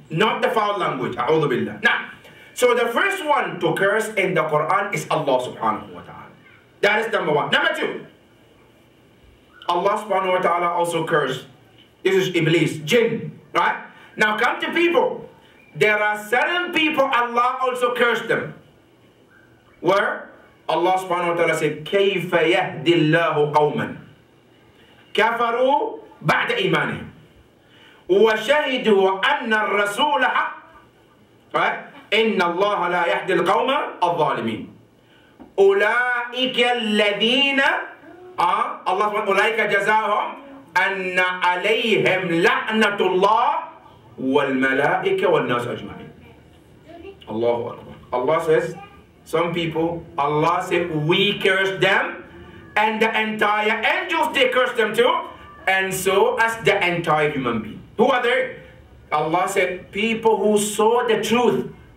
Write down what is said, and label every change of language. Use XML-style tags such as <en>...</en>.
<en>Not the foul language. A'udhu Billah. Now, so the first one to curse in the Quran is Allah subhanahu wa ta'ala. That is number one. Number two, Allah subhanahu wa ta'ala also cursed. This is Iblis, jinn, right? Now come to people. There are certain people Allah also cursed them. Where? Allah subhanahu wa ta'ala said,</en> <ar>كَيْفَ يَهْدِ اللَّهُ قَوْمًا كَفَرُوا بَعْدَ إِيمَانِهِمْ وَشَهِدُوا أَنَّ الرَّسُولَ حَقٌّ.</ar> <en>Right?</en> <ar>إِنَّ اللَّهَ لَا يَهْدِ الْقَوْمَ الظَّالِمِينَ أُولَٰئِكَ الَّذِينَ Allah subhanahu wa ta'ala جَزَاهُمْ أَنَّ عَلَيْهِمْ لَعْنَةُ اللَّهِ وَالْمَلَائِكَ وَالنَّاسَ أَجْمَعِينَ. Allahu Akbar.</ar> <en>Allah says, some people, Allah said, we curse them, and the entire angels, they curse them too, and so as the entire human being. Who are they? Allah said, people who saw the truth.</en>